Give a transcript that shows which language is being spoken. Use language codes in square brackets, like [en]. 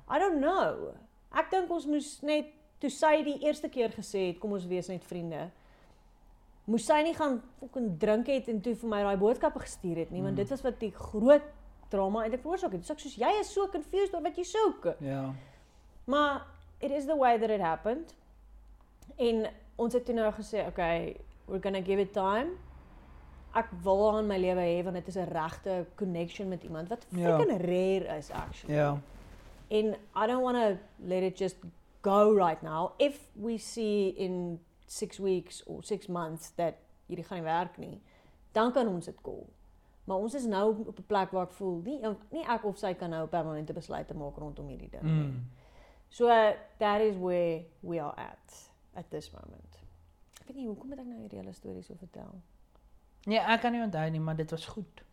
[en] I don't know. [af] Ek dink ons moes net, toe sy die eerste keer gesê het, kom ons wees net vriende, moes sy nie gaan fucking drink het en toe vir my daai boodskappe gestuur het nie, want dit was wat die groot drama eintlik veroorsaak het. Dis ek soos, jy is so confused oor wat jy soek. Ja. [en] Maar, it is the way that it happened. [af] En, ons het toe nou gesê, okay, [en] we're gonna give it time. [af] Ek wil aan my lewe hê, want dit is 'n regte connection met iemand, wat [en] freaking rare [af] is, [en] actually. Yeah. En I don't want to let it just go right now. If we see in 6 weeks or 6 months that [af] hierdie gaan nie werk nie, dan kan ons dit [en] call. [af] Maar ons is nou op 'n plek waar ek voel, nie ek of sy kan nou permanente besluite maak rondom hierdie ding. [en] So, that is where we are at. At this moment. [af] Ek weet nie, hoekom het ek nou hierdie hele storie so vertel? Nee, ek kan nie onthou nie, maar dit was goed.